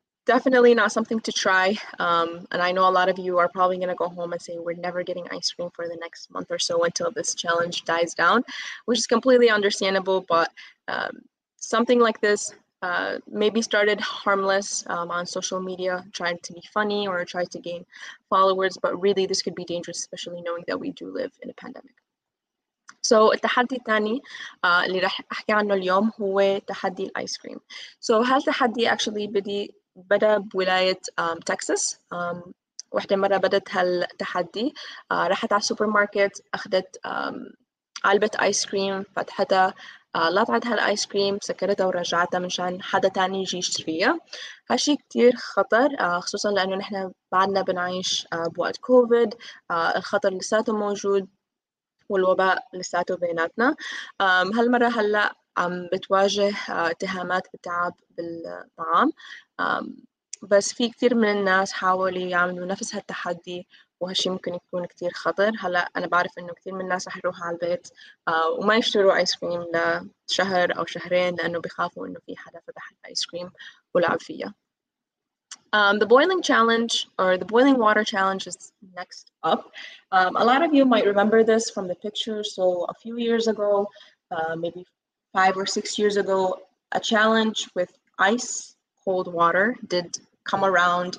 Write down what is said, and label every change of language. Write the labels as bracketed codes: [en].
[en] definitely not something to try. And I know a lot of you are probably going to go home and say, we're never getting ice cream for the next month or so until this challenge dies down, which is completely understandable. But something like this, maybe started harmless on social media, trying to be funny or try to gain followers. But really, this could be dangerous, especially knowing that we do live in a pandemic. [ar] So التحدي الثاني اللي راح احكي عنه اليوم هو تحدي الايس كريم. So هذا التحدي actually بدا بولاية تكساس. واحدة مرة بدت هالتحدي راحت على السوبر ماركت اخذت علبة ايس كريم فتحتها لطعت هالايس كريم سكرتها ورجعتها منشان حدا تاني يجي يشتريها. هالشي كتير خطر خصوصا لانه نحن بعدنا بنعيش بوقت كوفيد الخطر لساته موجود والوباء لساته بيناتنا. هالمرة هلأ عم بتواجه اتهامات بالتعب بالطعام. بس في كتير من الناس حاولوا يعملوا نفس هالتحدي وهالشي ممكن يكون كتير خطر. هلأ أنا بعرف إنه كتير من الناس رح يروح على البيت وما يشتروا آيس كريم لشهر أو شهرين لأنه بيخافوا إنه في حدا فتح الآيس كريم ولعب فيها. [en] The boiling challenge or the boiling water challenge is next up. A lot of you might remember this from the picture. So a few years ago, maybe 5 or 6 years ago, a challenge with ice cold water did come around.